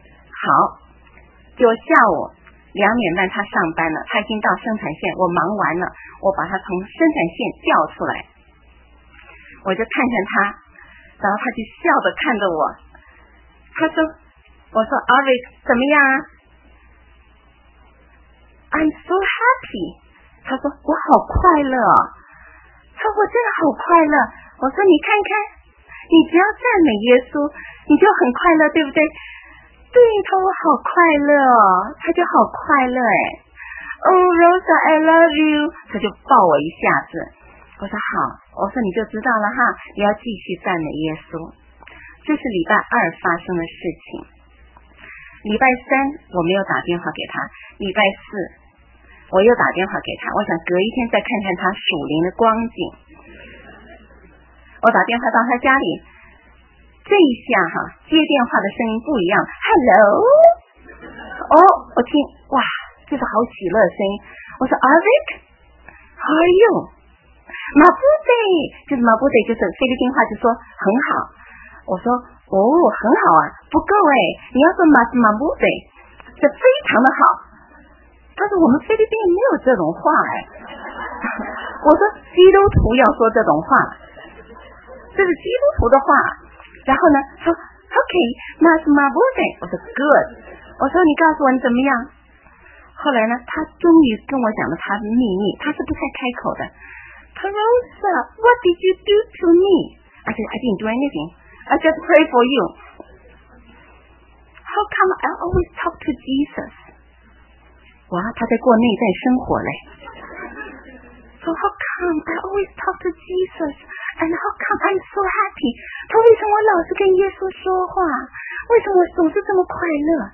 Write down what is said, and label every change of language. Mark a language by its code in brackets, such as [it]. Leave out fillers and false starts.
[zh] 好，就下午两点半他上班了，他已经到生产线，我忙完了，我把他从生产线叫出来，我就看看他，然后他就笑着看着我，他说，我说 Arvid 怎么样啊？ [en] I'm so happy。 [zh] 他说我好快乐，他说我真的好快乐。我说你看看，你只要赞美耶稣你就很快乐，对不对？对，他说我好快乐哦，他就好快乐哎。 [en] Oh Rosa I love you， [zh] 他就抱我一下子。我说好，我说你就知道了哈，你要继续赞美耶稣。这是礼拜二发生的事情。礼拜三我没有打电话给他，礼拜四我又打电话给他，我想隔一天再看看他属灵的光景。我打电话到他家里，这一下哈，接电话的声音不一样。 Hello， 哦，我听，哇，这是好喜乐的声音。我说 ，Arvik， [en] How are you？ [zh] 马布德，就是马布德，就是菲律宾话，就说很好。我说哦，很好啊，不够哎，你要说马布德，是非常的好。他说我们菲律宾没有这种话哎。我说基督徒要说这种话，这是基督徒的话。然后呢说 OK， 那是 [en] my birthday。 [zh] 我说 good。我说你告诉我你怎么样。后来呢他终于跟我讲了他的秘密，他是不太开口的。 [en] Rosa what did you do to me？ I said I didn't do anything, I just pray for you. How come I always talk to Jesus？ [zh] 哇，他在过内在生活嘞。 [en] So how come I always talk to Jesus and how come I'm so happy？ [zh] 他为什么我老是跟耶稣说话，为什么我总是这么快乐？